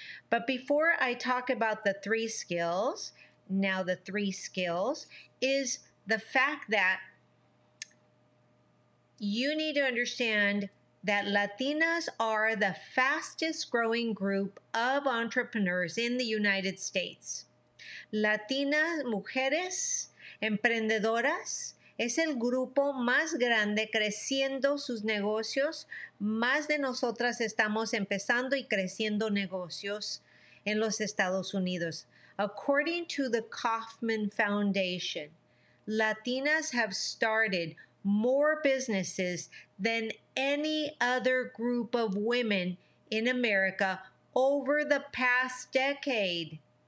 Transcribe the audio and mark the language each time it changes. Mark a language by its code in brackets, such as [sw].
[en] But before I talk about the three skills, now the three skills is the fact that you need to understand that Latinas are the fastest growing group of entrepreneurs in the United States. [es] Latinas, mujeres, emprendedoras, es el grupo más grande creciendo sus negocios. Más de nosotras estamos empezando y creciendo negocios en los Estados Unidos. [en] According to the Kauffman Foundation, Latinas have started more businesses than any other group of women in America over the past decade.